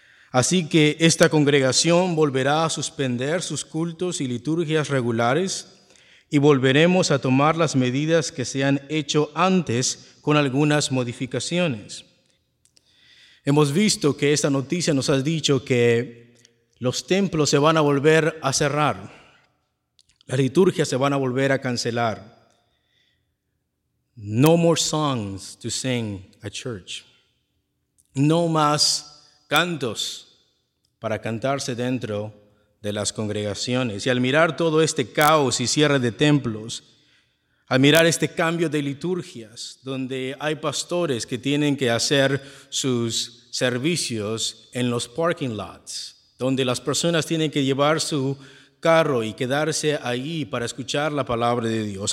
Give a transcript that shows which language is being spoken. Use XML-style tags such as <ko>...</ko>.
<es>Así que esta congregación volverá a suspender sus cultos y liturgias regulares y volveremos a tomar las medidas que se han hecho antes con algunas modificaciones. Hemos visto que esta noticia nos ha dicho que los templos se van a volver a cerrar. Las liturgias se van a volver a cancelar.</es> <en>No more songs to sing at church.</en> <es>No más cantos para cantarse dentro de las congregaciones. Y al mirar todo este caos y cierre de templos, al mirar este cambio de liturgias, donde hay pastores que tienen que hacer sus servicios en los parking lots, donde las personas tienen que llevar su carro y quedarse ahí para escuchar la palabra de Dios.</es>